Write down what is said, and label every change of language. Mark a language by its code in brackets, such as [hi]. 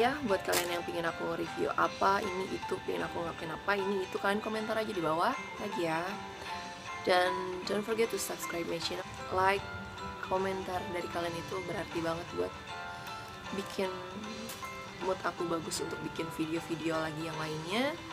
[id] Buat kalian yang pingin aku review apa, ini itu, pingin aku ngapain apa, ini itu, kalian komentar aja di bawah lagi ya. [en] Dan don't forget to subscribe my channel. [id] Like, komentar dari kalian itu berarti banget buat bikin mood aku bagus untuk bikin video-video lagi yang lainnya.